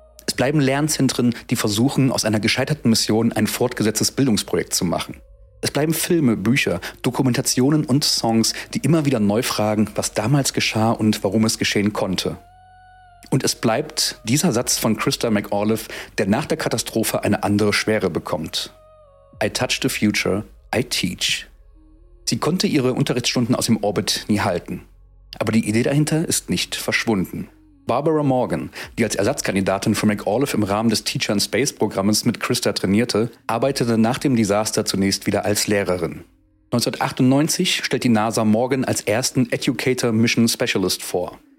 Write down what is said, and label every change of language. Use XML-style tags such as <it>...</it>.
<de>Es bleiben Lernzentren, die versuchen, aus einer gescheiterten Mission ein fortgesetztes Bildungsprojekt zu machen. Es bleiben Filme, Bücher, Dokumentationen und Songs, die immer wieder neu fragen, was damals geschah und warum es geschehen konnte. Und es bleibt dieser Satz von Christa McAuliffe, der nach der Katastrophe eine andere Schwere bekommt.</de> <en>I touch the future, I teach.</en> <de>Sie konnte ihre Unterrichtsstunden aus dem Orbit nie halten. Aber die Idee dahinter ist nicht verschwunden. Barbara Morgan, die als Ersatzkandidatin für McAuliffe im Rahmen des Teacher in Space Programmes mit Christa trainierte, arbeitete nach dem Desaster zunächst wieder als Lehrerin. 1998 stellt die NASA Morgan als ersten Educator Mission Specialist vor.</de>